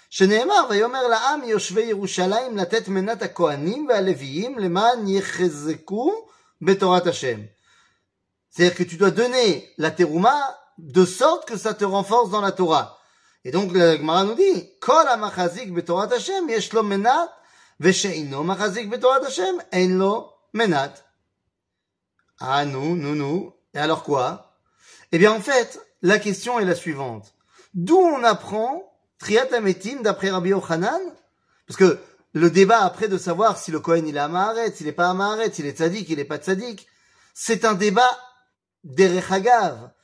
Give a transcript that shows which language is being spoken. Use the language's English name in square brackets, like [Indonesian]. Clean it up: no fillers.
[Hebrew] שנאמר ויאמר לעם יושבי ירושלים לתת מנת הכהנים והלוויים למען יחזקו בתורת השם. [French] C'est-à-dire que tu dois donner la terouma de sorte que ça te renforce dans la Torah. Et donc la Gemara nous dit, כל המחזיק בתורת השם יש לו מנת ושאינו מחזיק בתורת השם אין לו מנת. Ah non, non, non. Et alors quoi? Eh bien en fait, la question est la suivante. D'où on apprend Triat HaMetim d'après Rabbi Yochanan? Parce que le débat après de savoir si le Kohen il est à Maharet, s'il n'est pas à Maharet, s'il est tzadik, il n'est pas tzadik, c'est un débat d'Erech Agav.